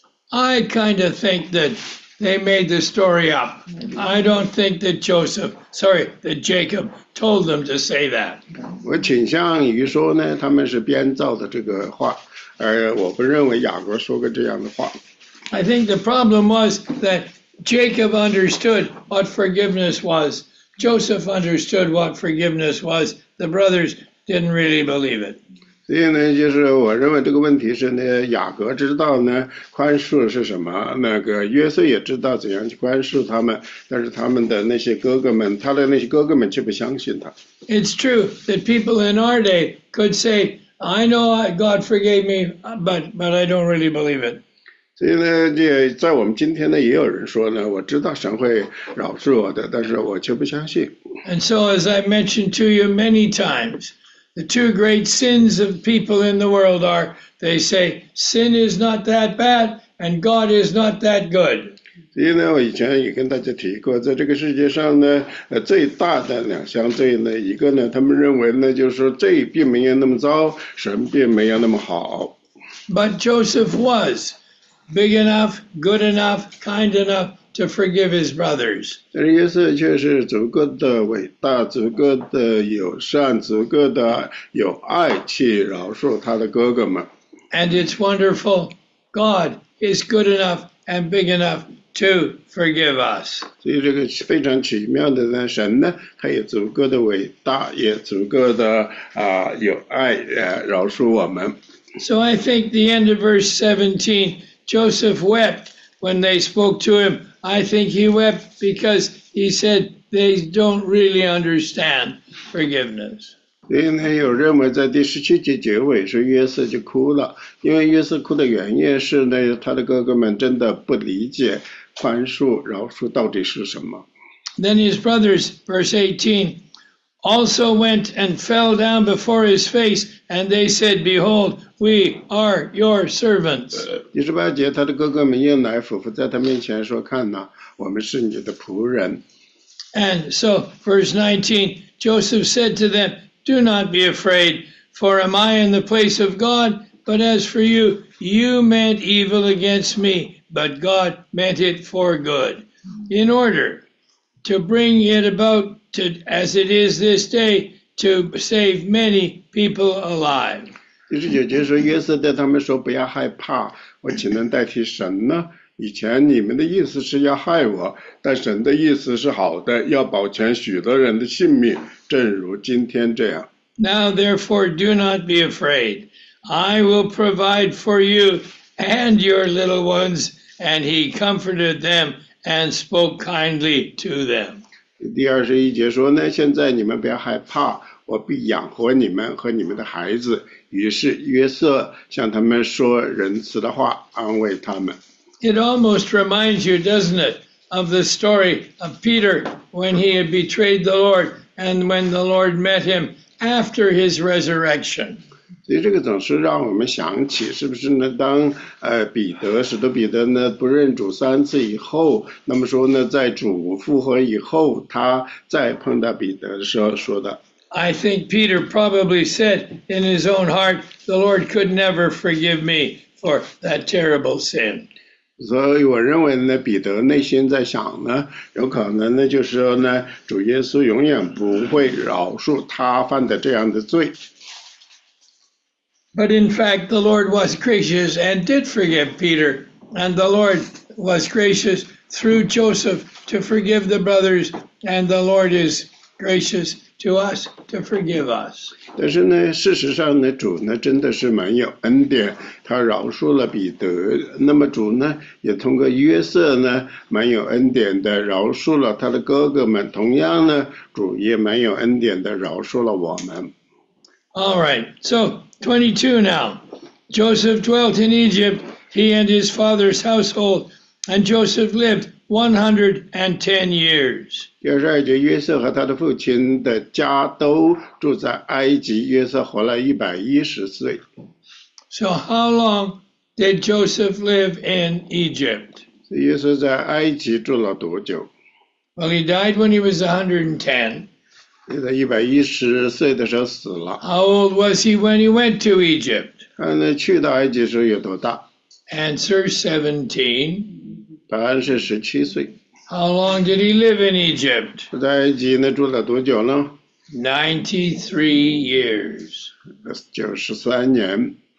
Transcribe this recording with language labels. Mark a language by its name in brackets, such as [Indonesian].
[English] I kind of think that they made the story up. I don't think that Jacob told them to say that. [Chinese] 我倾向于说呢，他们是编造的这个话，而我不认为雅各说过这样的话。 [English] I think the problem was that Jacob understood what forgiveness was. Joseph understood what forgiveness was. The brothers didn't really believe it. [Chinese] 所以呢，就是我认为这个问题是呢，雅各知道呢宽恕是什么，那个约瑟也知道怎样去宽恕他们，但是他们的那些哥哥们，他的那些哥哥们却不相信他。 [English] It's true that people in our day could say, I know God forgave me, but I don't really believe it. [Chinese] 所以呢，这在我们今天呢，也有人说呢，我知道神会饶恕我的，但是我却不相信。 [English] And so, as I mentioned to you many times, the two great sins of people in the world are, they say, sin is not that bad and God is not that good. [Chinese] 所以呢，我以前也跟大家提过，在这个世界上呢，最大的两项罪呢，一个呢，他们认为呢，就是说罪并没有那么糟，神并没有那么好。 [English] But Joseph was big enough, good enough, kind enough to forgive his brothers. [Chinese] 但是约瑟却是足够的伟大，足够的友善，足够的有爱去饶恕他的哥哥们。 [English] And it's wonderful, God is good enough and big enough to forgive us. [Chinese] 所以这个非常奇妙的呢，神呢，他也足够的伟大，也足够的有爱饶恕我们。 [English] So I think the end of verse 17, Joseph wept when they spoke to him. I think he wept because he said they don't really understand forgiveness. [Chinese] 所以呢，有认为在第十七节结尾是约瑟就哭了，因为约瑟哭的原因是呢，他的哥哥们真的不理解宽恕、饶恕到底是什么。 [English] Then his brothers, verse 18, also went and fell down before his face, and they said, Behold, we are your servants. [Chinese] 第十八节，他的哥哥们又来俯伏在他面前说，看哪，我们是你的仆人。 [English] And so, verse 19, Joseph said to them, Do not be afraid, for am I in the place of God? But as for you, you meant evil against me, but God meant it for good. In order to bring it about to, as it is this day, to save many people alive. [Chinese] 第十九节说，约瑟对他们说，不要害怕，我岂能代替神呢？以前你们的意思是要害我，但神的意思是好的，要保全许多人的性命，正如今天这样。 [English] Now therefore do not be afraid. I will provide for you and your little ones. And he comforted them and spoke kindly to them. [Chinese] 第二十一节说呢，现在你们不要害怕，我必养活你们和你们的孩子。于是约瑟向他们说仁慈的话，安慰他们。 [English] It almost reminds you, doesn't it, of the story of Peter when he had betrayed the Lord and when the Lord met him after his resurrection. [Chinese] 所以这个总是让我们想起，是不是呢？当彼得使徒彼得呢不认主三次以后，那么说呢，在主复活以后，他再碰到彼得的时候说的。 [English] I think Peter probably said in his own heart, "The Lord could never forgive me for that terrible sin." [Chinese] 所以我认为呢，彼得内心在想呢，有可能呢，就是说呢，主耶稣永远不会饶恕他犯的这样的罪。 [English] But in fact, the Lord was gracious and did forgive Peter. And the Lord was gracious through Joseph to forgive the brothers. And the Lord is gracious to us to forgive us. [Chinese] 但是呢，事实上呢，主呢真的是蛮有恩典，他饶恕了彼得。那么主呢，也通过约瑟呢，蛮有恩典的饶恕了他的哥哥们。同样呢，主也蛮有恩典的饶恕了我们。 [English] All right, so 22 now. Joseph dwelt in Egypt, he and his father's household, and Joseph lived 110 years. [Chinese] 第二十二节，约瑟和他的父亲的家都住在埃及，约瑟活了110岁。 [English] So how long did Joseph live in Egypt? [Chinese] 约瑟在埃及住了多久？ [English] Well, he died when he was 110. [Chinese] 在110岁的时候死了。 [English] How old was he when he went to Egypt? [Chinese] 他呢去到埃及时候有多大？ [English] Answer 17. [Chinese] 答案是17岁。 [English] How long did he live in Egypt? [Chinese] 在埃及呢住了多久呢？ [English] 93 years. [Chinese] 93年。